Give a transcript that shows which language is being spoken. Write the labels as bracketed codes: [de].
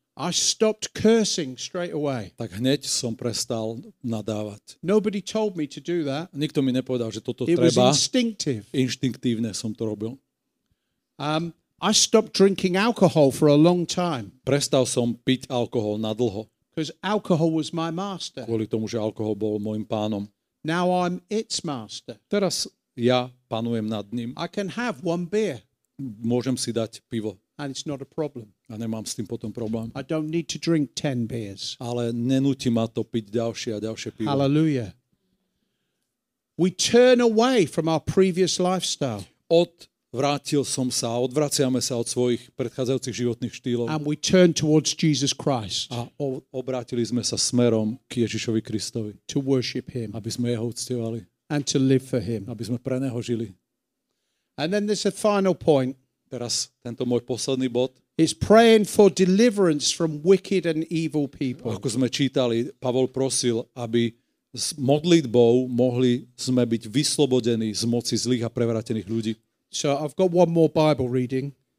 [en] I stopped cursing straight away. [sk] Tak hneď som prestal nadávať. [en] Nobody told me to do that. [sk] Nikto mi nepovedal, že toto [en] it [sk] treba. [en] It was instinctive. [sk] Inštinktívne som to robil. [en] I stopped drinking alcohol for a long time. [sk] Prestal som piť alkohol na dlho. [en] Because alcohol was my master. [sk] Kvôli tomu, že alkohol bol môjim pánom. [en] Now I'm its master. [sk] Teraz ja panujem nad ním. [en] I can have one beer. [sk] Môžem si dať pivo. [en] And it's not a problem. [sk] A nemám s tým potom problém. [en] I don't need to drink 10 beers. [sk] Ale nenúti ma to piť ďalšie a ďalšie pivo. [en] Hallelujah. We turn away from our previous lifestyle. [sk] Odvrátil som sa a odvraciame sa od svojich predchádzajúcich životných štýlov. [en] And we turn towards Jesus Christ. [sk] A obrátili sme sa smerom k Ježišovi Kristovi. [en] To worship him. [sk] Aby sme jeho uctievali. [en] And to live for him. [sk] Aby sme pre neho žili. [en] And then there's a final point. [sk] Teraz tento môj posledný bod. [en] It's praying for deliverance from wicked and evil people. [sk] Ako sme čítali, Pavol prosil, aby s modlitbou mohli sme byť vyslobodení z moci zlých a prevrátených ľudí. [en] So I've got one more Bible reading.